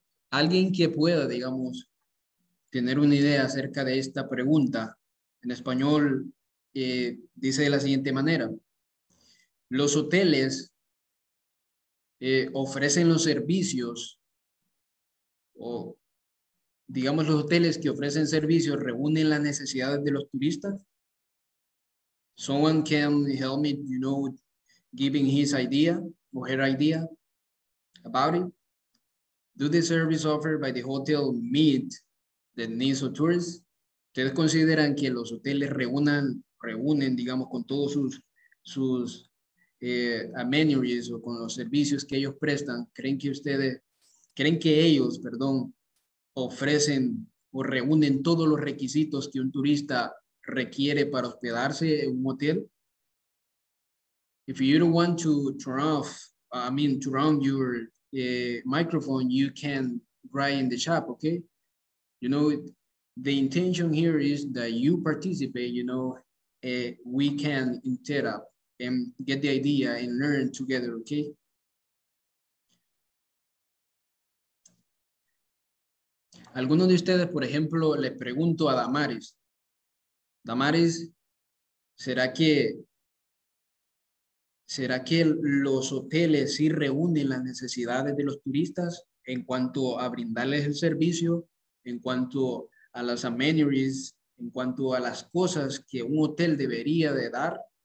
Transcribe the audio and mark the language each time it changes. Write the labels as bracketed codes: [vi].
[es] Alguien que pueda, digamos, tener una idea acerca de esta pregunta en español, dice de la siguiente manera. los hoteles ofrecen los servicios, o digamos los hoteles que ofrecen servicios reúnen las necesidades de los turistas? [en] Someone can help me, you know, giving his idea or her idea about it. Do the service offered by the hotel meet the needs of tourists? [es] ¿Ustedes consideran que los hoteles reúnen, digamos, con todos sus amenities o con los servicios que ellos prestan? ¿Creen que ellos ofrecen o reúnen todos los requisitos que un turista requiere para hospedarse en un hotel? [en] If you don't want to turn off your microphone, you can write in the chat, okay? You know, the intention here is that you participate, you know, we can interrupt and get the idea and learn together, okay? [es] Algunos de ustedes, por ejemplo, les pregunto a Damaris. Damaris, ¿será que los hoteles sí reúnen las necesidades de los turistas en cuanto a brindarles el servicio, en cuanto a las amenities, en cuanto a las cosas que un hotel debería de dar?